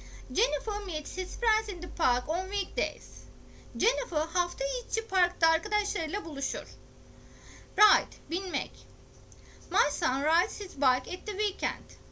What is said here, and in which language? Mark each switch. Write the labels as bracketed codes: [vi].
[en] Jennifer meets his friends in the park on weekdays. [tr] Jennifer hafta içi parkta arkadaşlarıyla buluşur. Ride, binmek. [en] My son rides his bike at the weekend.